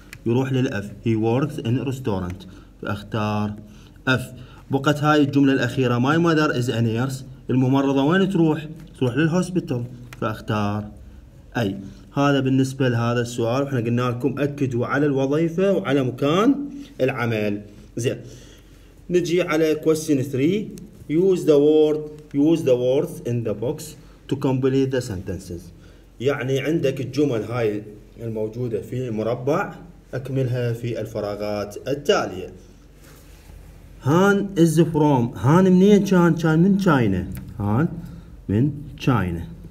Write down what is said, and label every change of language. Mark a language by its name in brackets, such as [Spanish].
[Arabic] يروح للأف. [English] He works in a restaurant. [Arabic] فأختار F. بقت هاي الجملة الأخيرة. [English] My mother is a nurse. [Arabic] الممرضة وين تروح؟ تروح للهوسبيتال. فأختار A. هذا بالنسبة لهذا السؤال. وإحنا قلنا لكم أكدوا على الوظيفة وعلى مكان العمل. زين نجي على question 3. [English] Use the words in the box to complete the sentences. [Arabic] يعني عندك الجمل هاي الموجودة في مربع أكملها في الفراغات التالية. [English] Han is from. [Arabic] Han منين كان؟ كان من China. Han من China.